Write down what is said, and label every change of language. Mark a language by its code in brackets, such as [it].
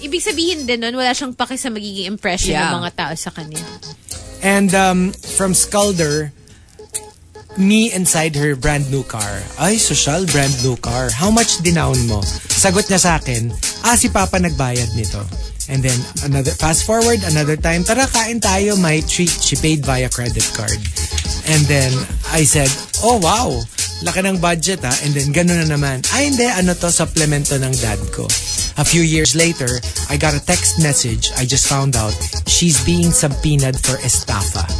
[tl] Ibig sabihin din nun, wala siyang paki sa magiging impression ng mga tao sa kanya. [en] And from Skulder, me inside her brand new car. Ay, social brand new car. How much dinown mo? [tl] Sagot niya sa akin, si Papa nagbayad nito. [en] And then, another fast forward, another time, [tl] tara kain tayo, [en] my treat. She paid via credit card. And then, I said, oh wow, [tl] laki ng budget ha. And then, ganun na naman. Ay, hindi, ano to, supplemento ng dad ko. [en] A few years later, I got a text message. I just found out she's being subpoenaed for estafa.